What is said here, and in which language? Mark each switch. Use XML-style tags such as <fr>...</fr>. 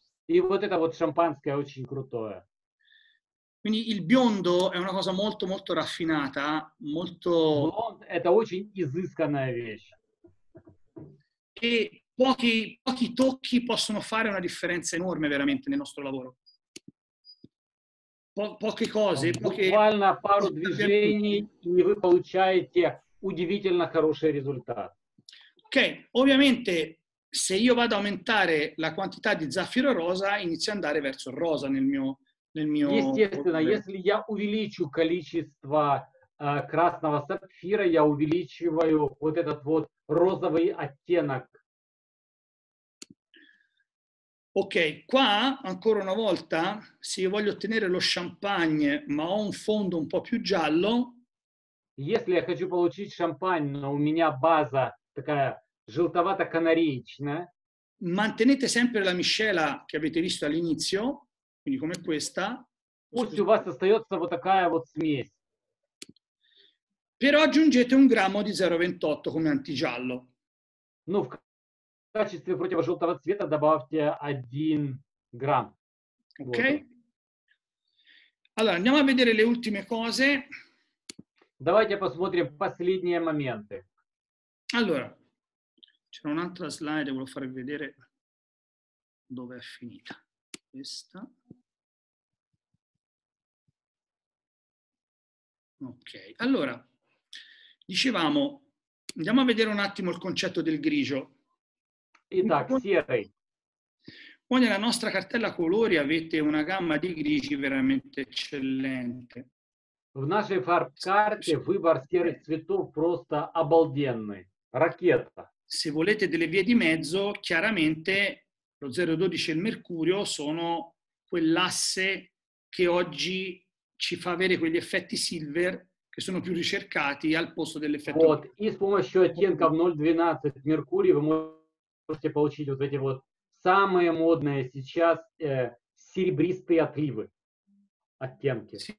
<ru>И вот это вот шампанское очень крутое.</ru> <it>Quindi il biondo è una cosa molto molto raffinata, molto...</it> <ru>Блонд – это очень изысканная вещь.</ru> <it>E pochi tocchi possono fare una differenza enorme veramente nel nostro lavoro. Poche cose, poche...</it> <ru>Буквально пару движений, и вы получаете удивительно хороший результат.</ru> <it>Ok, ovviamente se io vado ad aumentare la quantità di zaffiro rosa, inizia ad andare verso il rosa nel mio...</it> <ru>Естественно, если я увеличу количество красного сапфира, я увеличиваю вот этот вот розовый оттенок.</ru> <it>Ok, qua, ancora una volta, se io voglio ottenere lo champagne, ma ho un fondo un po' più giallo...</it> <ru>Если я хочу получить шампань, но у меня база такая желтовато-канареечная...</ru> <it>Mantenete sempre la miscela che avete visto all'inizio, quindi come questa.</it> <ru>Пусть у вас остается вот такая вот смесь.</ru> <it>Però aggiungete un grammo di 0,28 come antigiallo.</it> <ru>Ну, в качестве противожелтого цвета добавьте 1 грамм. Ok. Вот.</ru> <it>Allora, andiamo a vedere le ultime cose.</it> <ru>Давайте посмотрим последние моменты.</ru> <it>Allora, c'era un'altra slide, volevo farvi vedere dove è finita. Questa. Ok, allora, dicevamo, andiamo a vedere un attimo il concetto del grigio.</it> <ru>Итак, серый.</ru> <it>Voi nella nostra cartella colori avete una gamma di grigi veramente eccellente.</it> <ru>В нашей фарб-карте выбор серых цветов просто обалденный. Ракета.</ru> <it>Se volete delle vie di mezzo, chiaramente lo 0,12 e il mercurio sono quell'asse che oggi ci fa avere quegli effetti silver che sono più ricercati al posto dell'effetto...</it> <ru>Вот, и с помощью оттенков 0,12 меркурий вы можете получить вот эти вот самые модные сейчас серебристые отливы, оттенки.</ru>